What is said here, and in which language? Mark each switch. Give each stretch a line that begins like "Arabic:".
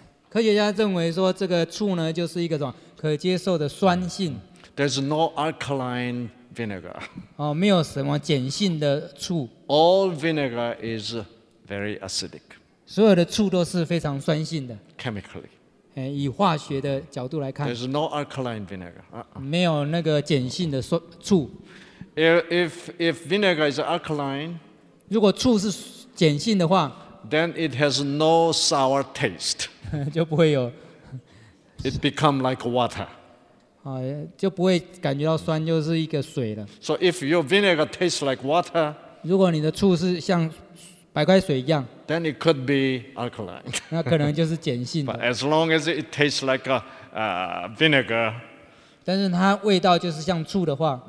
Chinese: 科学家认为说这个醋呢就是一个什么可接受的酸性。
English: There's no alkaline vinegar.
Chinese: 没有什么碱性的醋。
English: All vinegar is very acidic.
Chinese: 所有的醋都是非常酸性的。
English: Chemically.
Chinese: 以化学的角度来看。
English: There's no alkaline vinegar.
Chinese: 没有那个碱性的醋。
English: If vinegar is alkaline,
Chinese: 如果醋是碱性的话
English: then it has no sour taste.
Chinese: 就不会有。
English: It become like water.
Chinese: 就不会感觉到酸，就是一个水了。
English: So if your vinegar tastes like water,
Chinese: 如果你的醋是像白开水一样，
English: then it could be alkaline.
Chinese: 那可能就是碱性的。
English: But as long as it tastes like vinegar,
Chinese: 但是它味道就是像醋的话，